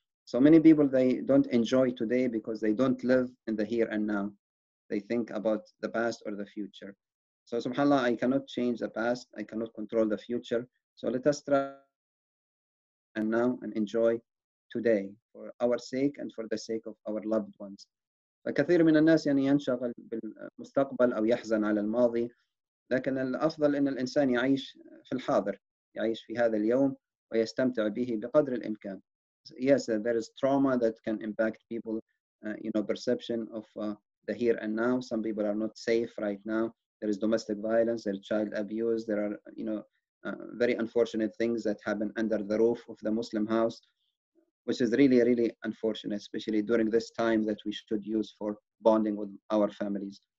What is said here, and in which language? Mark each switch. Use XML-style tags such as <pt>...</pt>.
<en>So many people, they don't enjoy today because they don't live in the here and now. They think about the past or the future. So, subhanAllah, I cannot change the past. I cannot control the future. So let us try. And now, and enjoy today for our sake and for the sake of our loved ones.</en> <ar>فكثير من الناس يعني ينشغل بالمستقبل أو يحزن على الماضي. لكن الأفضل إن الإنسان يعيش في الحاضر، يعيش في هذا اليوم ويستمتع به بقدر الإمكان.</ar> <en>Yes, there is trauma that can impact people, you know, perception of the here and now. Some people are not safe right now. there is domestic violence, there is child abuse, there are, you know, very unfortunate things that happen under the roof of the Muslim house, which is really, really unfortunate, especially during this time that we should use for bonding with our families.</en>